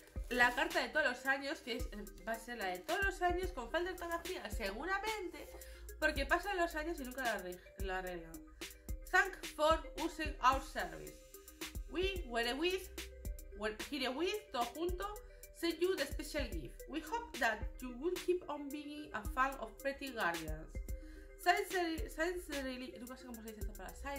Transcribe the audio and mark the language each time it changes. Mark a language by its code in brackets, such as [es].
[es] La carta de todos los años, que es, va a ser la de todos los años con falta de ortografía, seguramente, porque pasan los años y nunca la arreglan. [en] Thank for using our service. We were with, here with, [es] todo junto, [en] send you the special gift. We hope that you will keep on being a fan of Pretty Guardians. [es] Sincerely, no sé cómo se dice esta palabra.